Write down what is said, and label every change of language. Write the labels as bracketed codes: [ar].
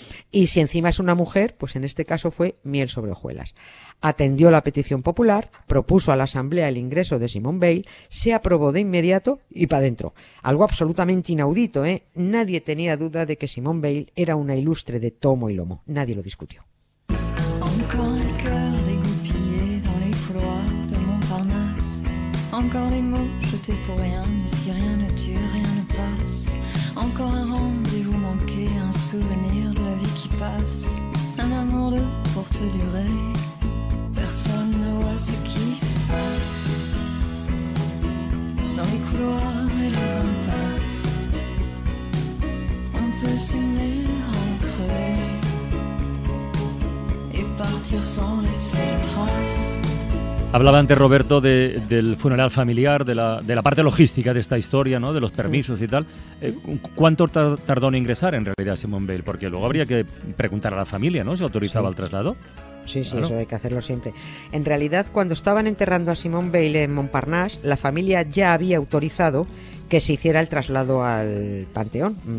[es] Y si encima es una mujer, pues en este caso fue miel sobre hojuelas. Atendió la petición popular, propuso a la Asamblea el ingreso de Simone Weil, se aprobó de inmediato y para adentro. Algo absolutamente inaudito, ¿eh? Nadie tenía duda de que Simone Weil era una ilustre de tomo y lomo. Nadie lo discutió. [fr] Encore les cœurs dégoupillés dans les couloirs de Montparnasse. Encore les mots jetés pour rien, mais si rien ne tue, rien ne passe. Encore un rendez-vous manqué, un souvenir de la vie qui passe. Un amour de courte durée. Personne ne voit ce qui se passe dans les couloirs et les impasses. On peut s'aimer en creux et partir sans laisser trace. [es] Hablaba antes Roberto del funeral familiar, de la parte logística de esta historia, ¿no? De los permisos y tal. ¿Cuánto tardó en ingresar en realidad Simone Weil? Porque luego habría que preguntar a la familia, ¿no? Si autorizaba el traslado. Sí, sí, eso hay que hacerlo siempre. En realidad, cuando estaban enterrando a Simone Weil en Montparnasse, la familia ya había autorizado que se hiciera el traslado al Panteón.